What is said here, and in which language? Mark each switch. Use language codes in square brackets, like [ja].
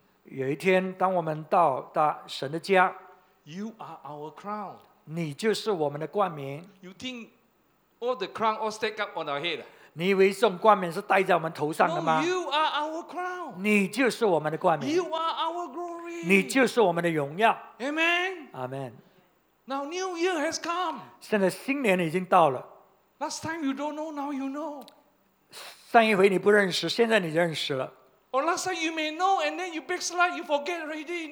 [zh] 有一天，当我们到达神的家， [en] you are our crown. [zh] 你就是我们的冠冕。 [en] You think all the crown all stack up on our head? [zh] 你以为这种冠冕是戴在我们头上的吗？ [en] No, you are our crown. [zh] 你就是我们的冠冕。 [en] You are our glory. [zh] 你就是我们的荣耀。 [en] Amen. Amen. Now New Year has come. [zh] 现在新年已经到了。 [en] Last time you don't know, now you know. [zh] 上一回你不认识，现在你认识了。 [en] Or last time you may know, and then you backslide, you forget already.